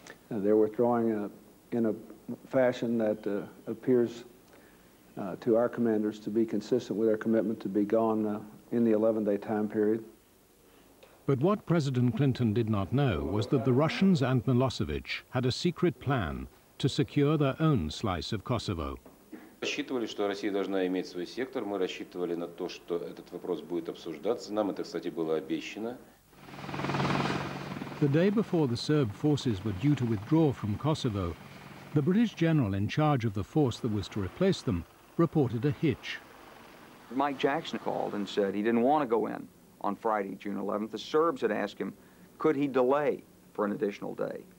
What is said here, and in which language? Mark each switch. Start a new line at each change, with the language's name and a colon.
English: They're withdrawing in a fashion that appears to our commanders to be consistent with our commitment to be gone in the 11-day time period. But what President Clinton did not know was that the Russians and Milosevic had a secret plan to secure their own slice of Kosovo.
Russian: Мы рассчитывали, что Россия должна иметь свой сектор. Мы рассчитывали на то, что этот вопрос будет обсуждаться. Нам это, кстати, было обещано.
English: The day before the Serb forces were due to withdraw from Kosovo, the British general in charge of the force that was to replace them reported a hitch. Mike Jackson called and said he didn't want to go in on Friday, June 11th. The Serbs had asked him, could he delay for an additional day?